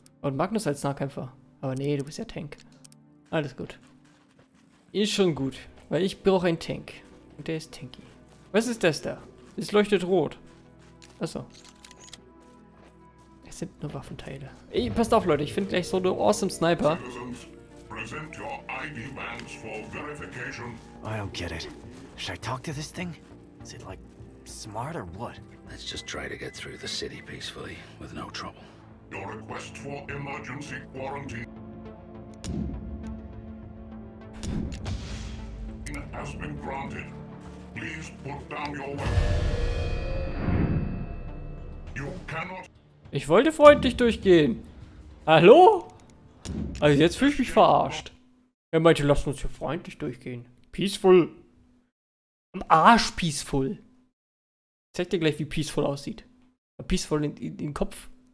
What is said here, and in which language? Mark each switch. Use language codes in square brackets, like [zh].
[de] Und Magnus als Nahkämpfer. Aber nee, du bist ja Tank. Alles gut. Ist schon gut. Weil ich brauche einen Tank. Und der ist tanky. Was ist das da? Es leuchtet rot. Achso. Es sind nur Waffenteile. Ey, passt auf, Leute. Ich finde gleich so eine awesome Sniper. [en] Citizens, present your ID bands for verification. I don't get it. Should I talk to this thing? Is it like smart or what? Let's just try to get through the city peacefully, with no trouble. Your request for emergency quarantine has been granted. Please put down your weapon. You cannot. [de] Ich wollte freundlich durchgehen. Hallo? Also jetzt fühle ich mich verarscht. Er meinte, lass uns hier freundlich durchgehen. Peaceful. Am Arsch peaceful. Zeig dir gleich, wie peaceful aussieht. Peaceful in den Kopf.